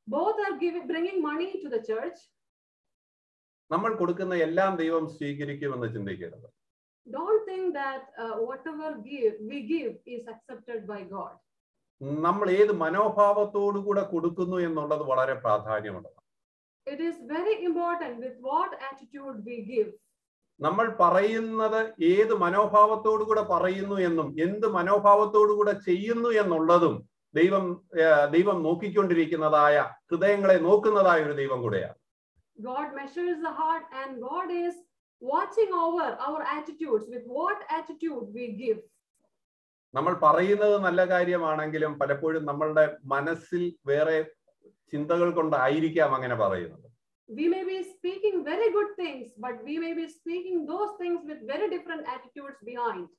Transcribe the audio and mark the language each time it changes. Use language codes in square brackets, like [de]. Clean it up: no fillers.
[en] Both are giving, bringing money to the church. [ml] നമ്മൾ കൊടുക്കുന്ന എല്ലാം ദൈവം സ്വീകരിക്കുമെന്ന് ചിന്തിക്കരുത്. [en] Don't think that whatever we give is accepted by God. [ml] നമ്മൾ ഏത് മനോഭാവത്തോടു കൂടെ കൊടുക്കുന്നു എന്നുള്ളത് വളരെ പ്രാധാന്യമുള്ളതാണ്. [en] It is very important with what attitude we give. [ml] നമ്മൾ പറയുന്നത് ഏത് മനോഭാവത്തോടു കൂടെ പറയുന്നു എന്നും എന്ത് മനോഭാവത്തോടു കൂടെ ചെയ്യുന്നു എന്നുള്ളതും ദൈവം നോക്കിക്കൊണ്ടിരിക്കുന്നതായ ഹൃദയങ്ങളെ നോക്കുന്നതായ ഒരു ദൈവം കൂടെയാണ്. [en] God measures the heart and God is watching over our attitudes with what attitude we give. [ml] നമ്മൾ പറയുന്നത് നല്ല കാര്യമാണെങ്കിലും പലപ്പോഴും നമ്മളുടെ മനസ്സിൽ വേറെ ചിന്തകൾ കൊണ്ടായിരിക്കാം അങ്ങനെ പറയുന്നത്. [en] We may be speaking very good things, but we may be speaking those things with very different attitudes behind.